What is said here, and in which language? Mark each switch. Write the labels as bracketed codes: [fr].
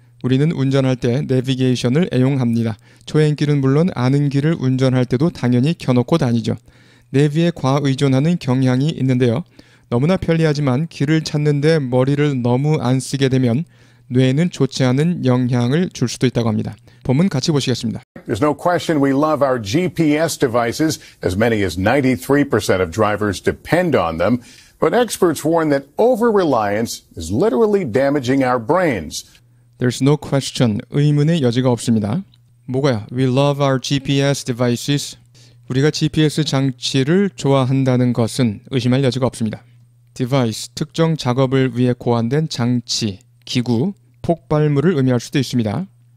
[ko] 우리는 운전할 때 네비게이션을 애용합니다. 초행길은 물론 아는 길을 운전할 때도 당연히 켜놓고 다니죠. 네비에 과의존하는 경향이 있는데요. 너무나 편리하지만 길을 찾는데 머리를 너무 안 쓰게 되면 뇌에는 좋지 않은 영향을 줄 수도 있다고 합니다. 본문 같이 보시겠습니다. [en] There's no question we love our GPS devices. As many as 93% of drivers depend on them. But experts warn that over-reliance is literally damaging our brains. There's no question. [ko] 의문의 여지가 없습니다. 뭐가요? [en] We love our GPS devices. [ko] 우리가 GPS 장치를 좋아한다는 것은 의심할 여지가 없습니다. Device, 특정 작업을 위해 고안된 장치, 기구, 폭발물을 의미할 수도 있습니다.